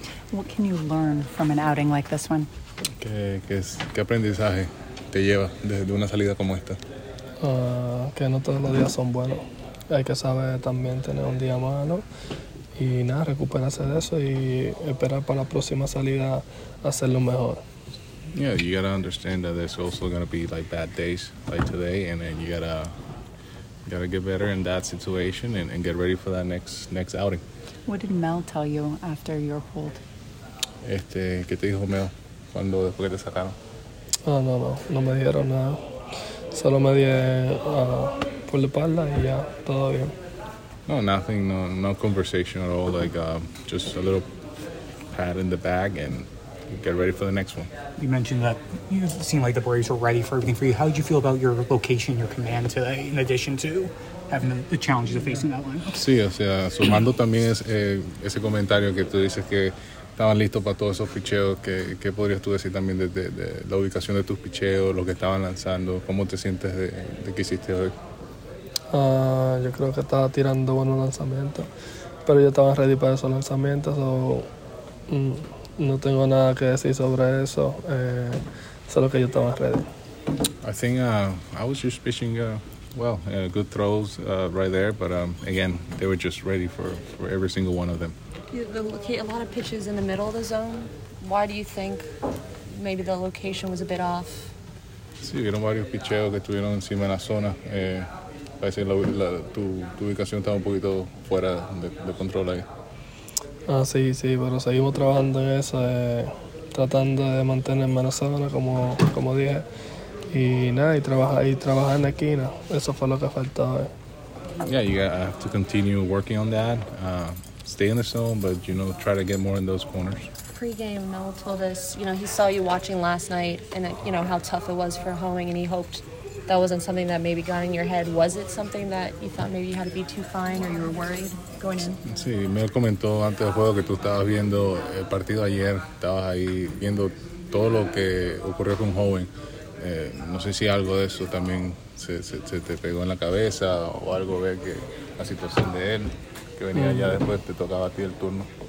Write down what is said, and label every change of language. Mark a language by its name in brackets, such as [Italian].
[English] What can you learn from an outing like this one? [Spanish] ¿Qué aprendizaje te lleva de una salida como esta? Que no todos los días son buenos. Hay que saber también tener un día malo y nada, recuperarse de eso y esperar para la próxima salida hacerlo mejor. [English] Yeah, you gotta understand that there's also gonna be like bad days like today, and then you gotta get better in that situation and get ready for that next outing. What did Mel tell you after your hold? [Spanish] ¿Qué te dijo Mel cuando después que te sacaron? No me dijeron nada. Solo me dieron por la espalda y ya, todo bien. [English] No, nothing, no conversation at all, like just a little pat in the bag and get ready for the next one. You mentioned that you seem like the Braves were ready for everything for you. How did you feel about your location, your command today, in addition to having the challenges of facing that line? [Spanish] Sí, o sea, sumando también ese comentario que tú dices que estaban listos para todos esos picheos, ¿qué podrías tú decir también de la ubicación de tus picheos, lo que estaban lanzando, cómo te sientes de que hiciste hoy? Yo creo que estaba tirando buenos lanzamientos. pero yo estaba ready para esos lanzamientos, so, no tengo nada que decir sobre eso, solo que yo estaba ready. [English] I think I was just pitching well, good throws right there, but again, they were just ready for every single one of them. A lot of pitches in the middle of the zone. Why do you think maybe the location was a bit off? [Spanish] Sí, vieron varios picheos que estuvieron encima de la zona. Parece que tu ubicación estaba un poquito fuera de control ahí. Ah, sí, pero seguimos trabajando en eso, tratando de mantenerme en la zona, como dije. Y nada, y trabajar en la esquina. Eso fue lo que faltaba. [English] Yeah, you have to continue working on that. Stay in the zone, but, you know, try to get more in those corners. Pre-game, Mel told us, you know, he saw you watching last night and, you know, how tough it was for homing, and he hoped that wasn't something that maybe got in your head. Was it something that you thought maybe you had to be too fine, or you were worried going in? [Spanish] Sí, Mel comentó antes del juego que tú estabas viendo el partido ayer, estabas ahí viendo todo lo que ocurrió con Howen. No sé si algo de eso también se te pegó en la cabeza o algo, ver que la situación de él que venía ya después te tocaba a ti el turno.